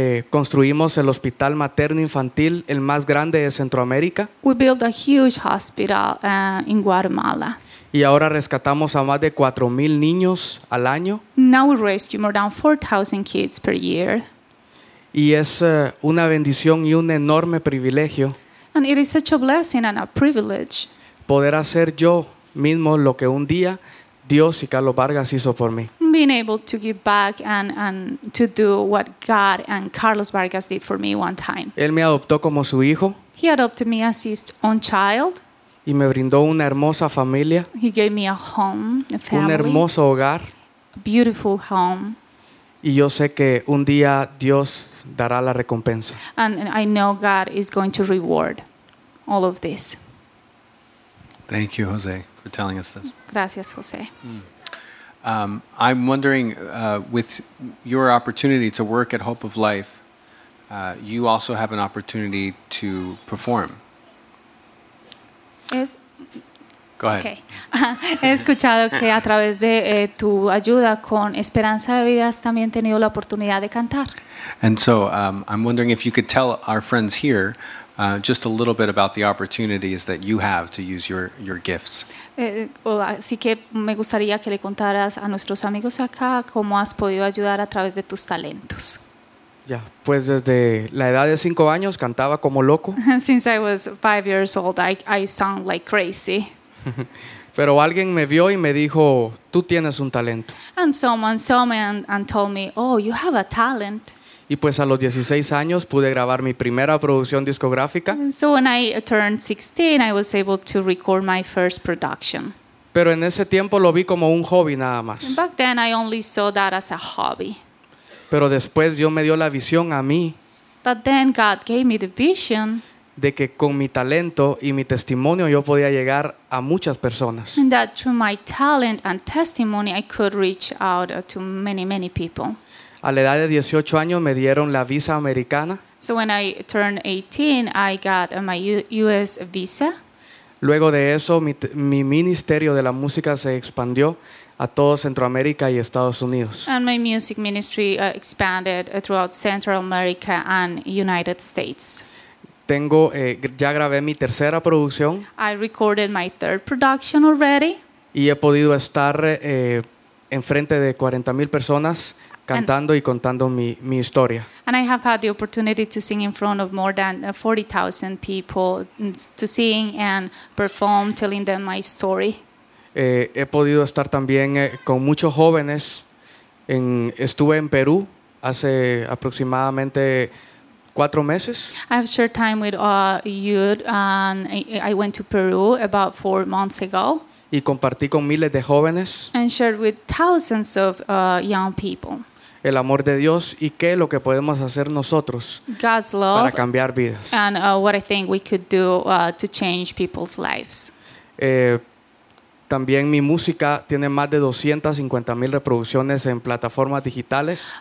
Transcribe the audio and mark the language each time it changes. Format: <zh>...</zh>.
<es>Construimos el hospital materno infantil, el más grande de Centroamérica.</es> <en>We built a huge hospital in Guatemala.</en> <es>Y ahora rescatamos a más de 4,000 niños al año.</es> <en>Now we rescue more than 4,000 kids per year.</en> <es>Y es una bendición y un enorme privilegio.</es> <en>And it is such a blessing and a privilege.</en> <es>Poder hacer yo mismo lo que un día Dios y Carlos Vargas hizo por mí.</es> <en>Being able to give back and to do what God and Carlos Vargas did for me one time.</en> <es>Él me adoptó como su hijo.</es> <en>He adopted me as his own child.</en> <es>Y me brindó una hermosa familia.</es> <en>He gave me a home, a family.</en> <es>Un hermoso hogar.</es> <en>A beautiful home.</en> <es>Y yo sé que un día Dios dará la recompensa.</es> <en>And I know God is going to reward all of this. Thank you, Jose, for telling us this.</en> <es>Gracias, Jose.</es> <en>I'm wondering, with your opportunity to work at Hope of Life, you also have an opportunity to perform. Go ahead. Okay.</en> <es>He escuchado que a través de tu ayuda con Esperanza de Vida has también tenido la oportunidad de cantar.</es> <en>And so I'm wondering if you could tell our friends here just a little bit about the opportunities that you have to use your gifts.</en> <es>Así que me gustaría que le contaras a nuestros amigos acá cómo has podido ayudar a través de tus talentos. Ya, pues desde la edad de 5 años cantaba como loco.</es> <en>Since I was 5 years old, I sound like crazy.</en> <es>Pero alguien me vio y me dijo, tú tienes un talento.</es> <en>And someone saw me and told me, oh, you have a talent.</en> <es>Y pues a los 16 años pude grabar mi primera producción discográfica.</es> <en>So when I turned 16, I was able to record my first production.</en> <es>Pero en ese tiempo lo vi como un hobby nada más.</es> <en>And back then I only saw that as a hobby.</en> <es>Pero después Dios me dio la visión a mí.</es> <en>But then God gave me the vision.</en> <es>De que con mi talento y mi testimonio yo podía llegar a muchas personas.</es> <en>And that through my talent and testimony I could reach out to many, many people.</en> <es>A la edad de 18 años me dieron la visa americana.</es> <en>So when I turned 18, I got my U.S. visa.</en> <es>Luego de eso, mi ministerio de la música se expandió a todo Centroamérica y Estados Unidos.</es> <en>And my music ministry expanded throughout Central America and United States.</en> <es>Tengo, ya grabé mi tercera producción.</es> <en>I recorded my third production already.</en> <es>Y he podido estar enfrente de 40,000 personas cantando y contando mi historia.</es> <en>And I have had the opportunity to sing in front of more than 40,000 people, to sing and perform, telling them my story.</en> <es>He podido estar también con muchos jóvenes. Estuve en Perú hace aproximadamente 4 meses.</es> <en>I have shared time with youth, and I went to Peru about 4 months ago.</en> <es>Y compartí con miles de jóvenes.</es> <en>And shared with thousands of young people.</en> <es>El amor de Dios y qué es lo que podemos hacer nosotros para cambiar vidas.</es> <en>And what I think we could do to change people's lives.</en> <es>También mi música tiene más de 250,000 reproducciones en plataformas digitales.</es>